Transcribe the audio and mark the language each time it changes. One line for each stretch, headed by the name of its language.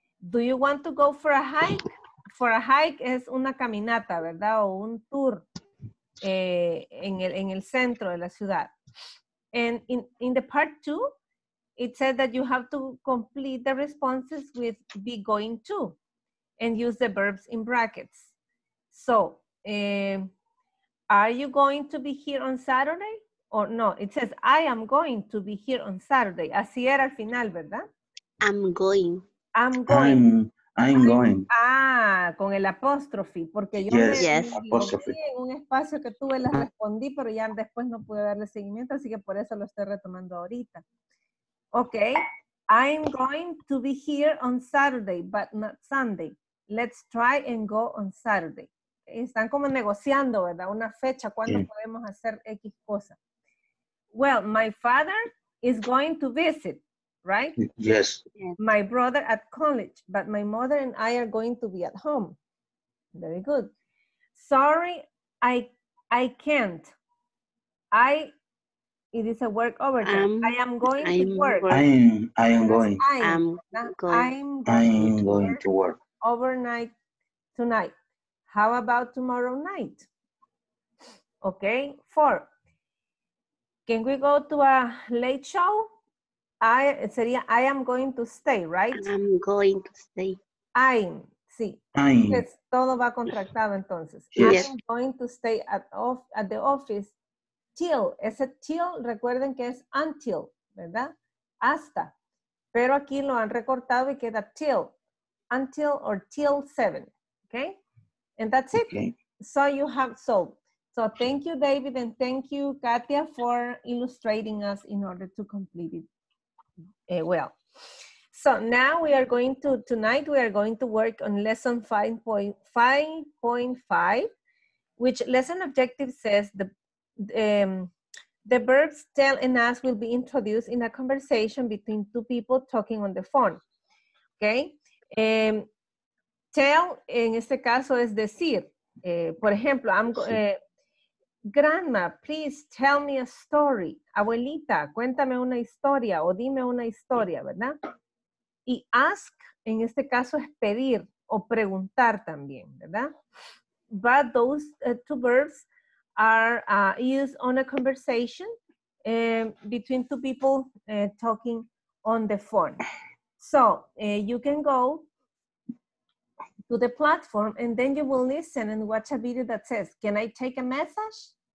English: Do you want to go for a hike? For a hike
Spanish: es una caminata, ¿verdad? O un tour en el centro de la ciudad.
English: And in the part two, it said that you have to complete the responses with be going to and use the verbs in brackets. So, are you going to be here on Saturday? Or no, it says I am going to be here on Saturday.
Spanish: Así era al final, ¿verdad?
English: I'm going.
Spanish: Ah, con el apóstrofe, porque yo en un espacio que tuve la respondí, pero ya después no pude darle seguimiento, así que por eso lo estoy retomando ahorita.
English: Okay, I'm going to be here on Saturday, but not Sunday. Let's try and go on Saturday.
Spanish: Están como negociando, ¿verdad? Una fecha, ¿cuándo podemos hacer X cosa?
English: Well, my father is going to visit. Right? Yes. My brother at college, but my mother and I are going to be at home. Very good. Sorry, I can't. I It is a work overtime. I am going to work. I'm going to work. Overnight tonight. How about tomorrow night? Okay, four. Can we go to a late show? I am going to stay, right? I'm going to stay. I'm.
Spanish: Es todo va contractado entonces.
English: Yes. I'm going to stay at the office till.
Spanish: Ese till, recuerden que es until, ¿verdad? Hasta. Pero aquí lo han recortado y queda till.
English: Until or till 7. Okay? And that's it. Okay. So you have solved. So thank you, David, and thank you, Katia, for illustrating us in order to complete it well. So now we are going to, tonight we are going to work on lesson 5.5, which lesson objective says the verbs tell and ask will be introduced in a conversation between two people talking on the phone.
Spanish: Okay? Tell, en este caso, es decir. Por ejemplo,
English: Grandma, please tell me a story.
Spanish: Abuelita, cuéntame una historia o dime una historia, ¿verdad? Y ask, en este caso, es pedir o preguntar también, ¿verdad?
English: But those two verbs are used on a conversation between two people talking on the phone. So, you can go to the platform and then you will listen and watch a video that says, can I take a message?